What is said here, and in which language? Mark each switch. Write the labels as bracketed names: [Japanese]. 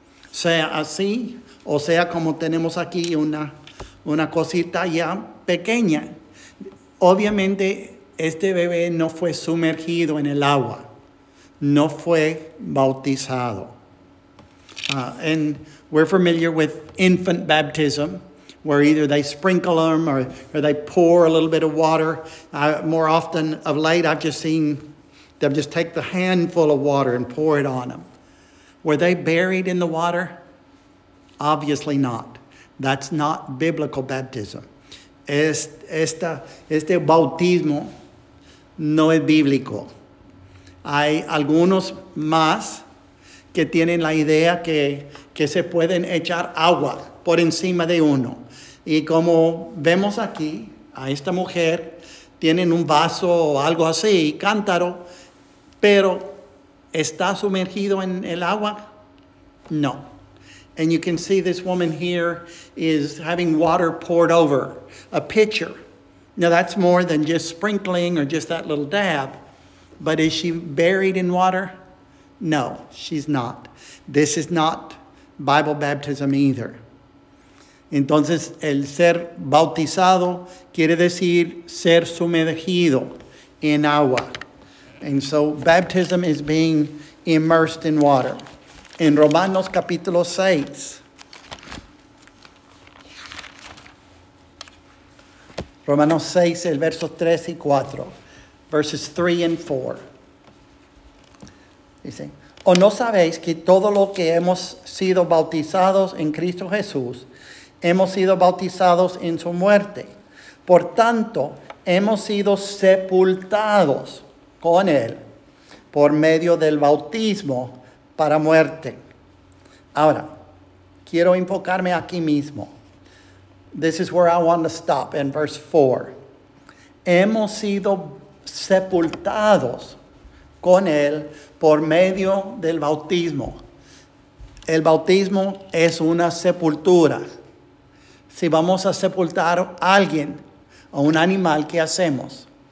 [Spanish] Sea así, o sea como tenemos aquí una cosita ya pequeña. Obviamente, este bebé no fue sumergido en el agua. No fue bautizado. [English] And we're familiar with infant baptism, where either they sprinkle them or they pour a little bit of water. More often of late, I've just seen them just take the handful of water and pour it on them. Were they buried in the water? Obviously not. That's not biblical baptism. [Spanish] Este bautismo no es bíblico. Hay algunos más que tienen la idea que se pueden echar agua por encima de uno. Y como vemos aquí, a esta mujer tienen un vaso o algo así, cántaro, pero ¿está sumergido en el agua? No. [English] And you can see this woman here is having water poured over, a pitcher. Now that's more than just sprinkling or just that little dab. But is she buried in water? No, she's not. This is not Bible baptism either. [Spanish] Entonces, el ser bautizado quiere decir ser sumergido en agua. [English] And so baptism is being immersed in water. [Spanish] En Romanos capítulo 6. Romanos 6, el verso 3 y 4. [English] Verses 3 and 4. [Spanish] Dice, ¿o no sabéis que todo lo que hemos sido bautizados en Cristo Jesús, hemos sido bautizados en su muerte? Por tanto, hemos sido sepultados con él por medio del bautismo para muerte. Ahora, quiero enfocarme aquí mismo. [English] This is where I want to stop in verse 4. [Spanish] Hemos sido sepultados con él por medio del bautismo. El bautismo es una sepultura. Si vamos a sepultar a alguien o un animal, ¿qué hacemos?